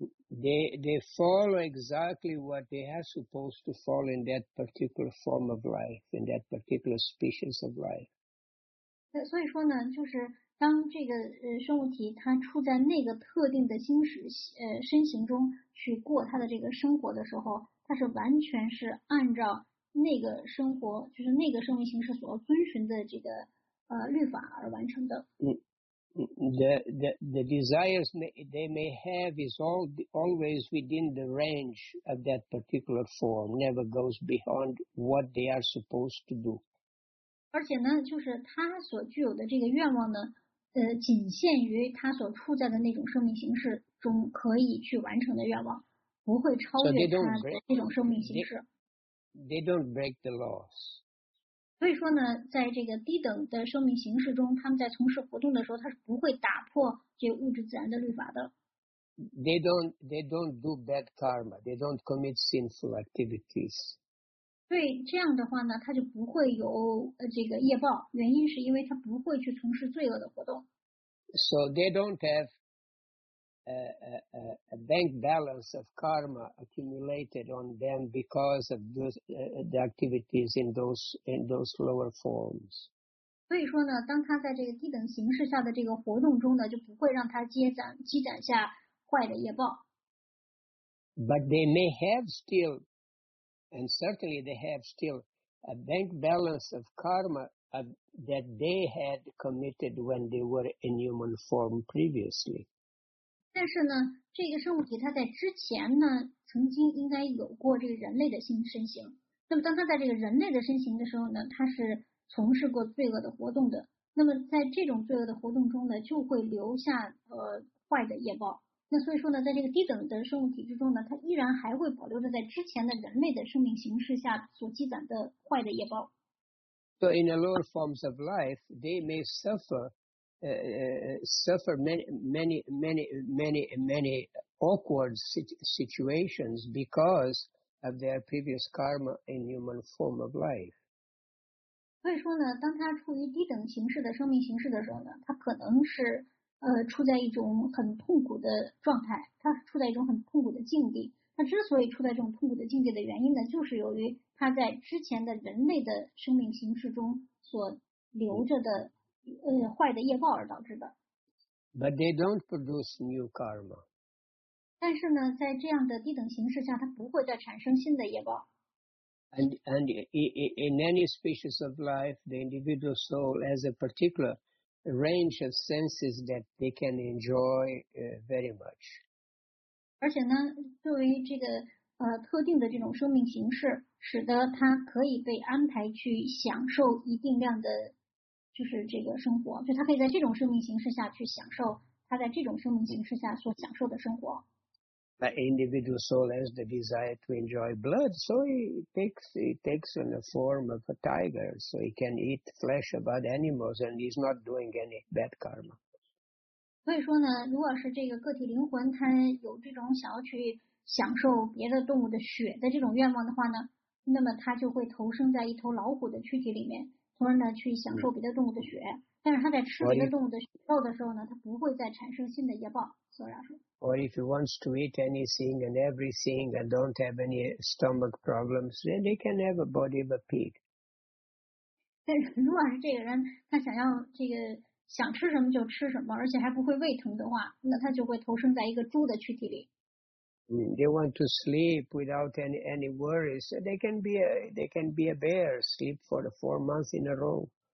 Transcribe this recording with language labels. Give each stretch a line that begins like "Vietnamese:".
English: They follow exactly what they are supposed to follow in that particular form of life, in that particular species of life.
Chinese: 那所以说呢，就是当这个生物体它处在那个特定的心识身形中去过它的这个生活的时候，它是完全是按照那个生活，就是那个生命形式所遵循的这个律法而完成的。
English: The desires they may have is always within the range of that particular form, never goes beyond what they are supposed to do.
Chinese: 而且呢，就是它所具有的这个愿望呢，仅限于他所处在的那种生命形式中可以去完成的愿望，不会超越他的那种生命形式。
English: They don't break the laws.
Chinese: 所以说呢，在这个低等的生命形式中，他们在从事活动的时候，他是不会打破这物质自然的律法的。
English: They don't do bad karma. They don't commit sinful activities.
Chinese: 对，这样的话呢，他就不会有这个业报。原因是因为他不会去从事罪恶的活动。
English: So they don't have a bank balance of karma accumulated on them because of the activities in those lower forms.
Chinese: 所以说呢，当他在这个低等形式下的这个活动中呢，就不会让他积攒下坏的业报。
English: But they may have still. And certainly they have still a bank balance of karma that they had committed when they were in human form previously.
Chinese: 但是呢，这个生物体它在之前呢，曾经应该有过这个人类的身形。那么当它在这个人类的身形的时候呢，它是从事过罪恶的活动的。那么在这种罪恶的活动中呢，就会留下坏的业报。那所以说呢，在这个低等的生物体之中呢，它依然还会保留着在之前的人类的生命形式下所积攒的坏的业报。
English: So in the lower forms of life, they may suffer many awkward situations because of their previous karma in human form of life.
Chinese: 所以说呢，当它处于低等形式的生命形式的时候呢，它可能是处在一种很痛苦的状态，他处在一种很痛苦的境地。他之所以处在这种痛苦的境界的原因呢，就是由于他在之前的人类的生命形式中所留着的坏的业报而导致的。
English: But they don't produce new karma.
Chinese: 但是呢，在这样的低等形式下，它不会再产生新的业报。
English: And in any species of life, the individual soul has a particular range of senses that they can enjoy very much.
Chinese: 而且呢，作为这个特定的这种生命形式，使得它可以被安排去享受一定量的。就是这个生活，就他可以在这种生命形式下去享受他在这种生命形式下所享受的生活。
English: The individual soul has the desire to enjoy blood, so he takes on the form of a tiger, so he can eat flesh of other animals, and he's not doing any bad karma.
Chinese: 所以说呢，如果是这个个体灵魂他有这种想要去享受别的动物的血的这种愿望的话呢，那么他就会投生在一头老虎的躯体里面。从而呢去享受别的动物的血，但是他在吃别的动物的血肉的时候呢，他不会再产生新的业报。所以来说
English: ，Or if he wants to eat anything and everything and don't have any stomach problems, then he can have a body of a pig.
Chinese: 但是如果是这个人，他想要这个想吃什么就吃什么，而且还不会胃疼的话，那他就会投生在一个猪的躯体里。
English: They want to sleep without any worries. They can be a bear, sleep for 4 months in a row.